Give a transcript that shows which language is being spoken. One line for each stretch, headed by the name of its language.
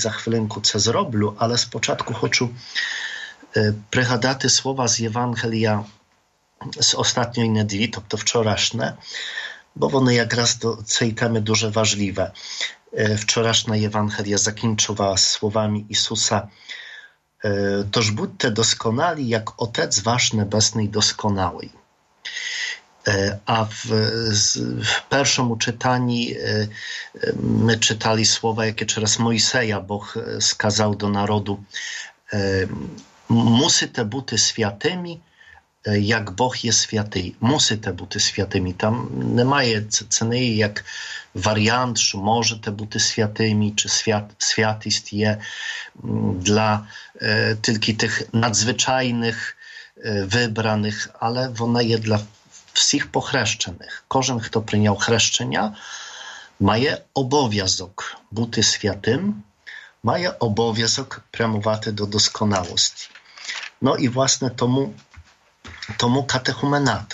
Ukrainian: За хвилинку це зроблю, але спочатку хочу пригадати слова з Євангелія з останньої неділі, тобто вчорашнє, бо вони якраз до цієї теми дуже важливі. Вчорашня Євангелія закінчувала словами Ісуса: «Тож будьте досконалі, як Отець ваш Небесний досконалий».
Polish: A w pierwszym czytaniu my czytali słowa, jakie przez Mojseja Bóg skazał do narodu: musicie być świętymi,
Ukrainian: як Бог є святий, мусите бути святими. Там немає цієї як варіант, що можете бути святими, чи святість є для тільки тих надзвичайних вибраних, але вона є для всіх похрещених. Кожен, хто прийняв хрещення, має обов'язок бути святим, має обов'язок прямувати до досконалості.
Polish: No i właśnie tomu katechumenat.